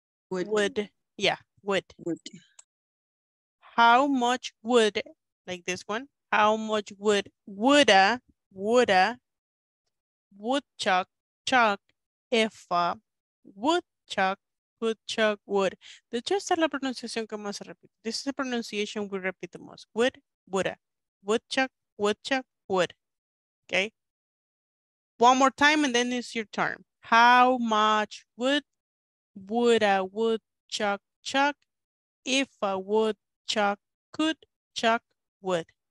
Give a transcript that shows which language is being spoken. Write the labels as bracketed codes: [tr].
[en] Would. Yeah, would. Would. How much would, like this one, how much would, woulda, woodchuck, chuck, if a, woodchuck, woodchuck, would. [es] De hecho, esta es la pronunciación que más se repite. [en] This is the pronunciation we repeat the most. Would, woulda, woodchuck, woodchuck, would. Okay. One more time and then it's your turn. How much would, woulda, woodchuck, chuck, if a woodchuck, could, chuck, would.